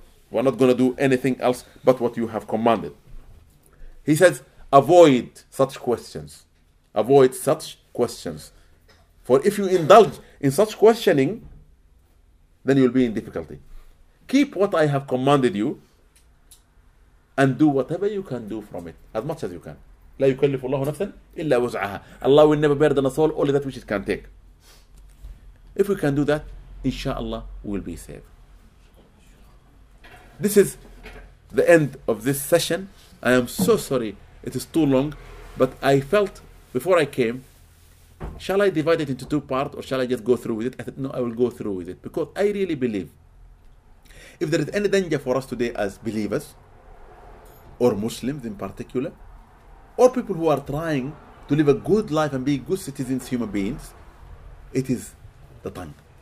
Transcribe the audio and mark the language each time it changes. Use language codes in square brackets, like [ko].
[en] We're not going to do anything else but what you have commanded. He says, avoid such questions. Avoid such questions. For if you indulge in such questioning, then you'll be in difficulty. Keep what I have commanded you, and do whatever you can do from it, as much as you can. [ar] لا يكلف الله نفسا إلا وزعها. [en] Allah will never burden us all, only that which it can take. If we can do that, inshallah, we will be saved. This is the end of this session. I am so sorry, it is too long, but I felt before I came, shall I divide it into two parts or shall I just go through with it? I said, no, I will go through with it because I really believe if there is any danger for us today as believers, or Muslims in particular, or people who are trying to live a good life and be good citizens, human beings, it is the tongue.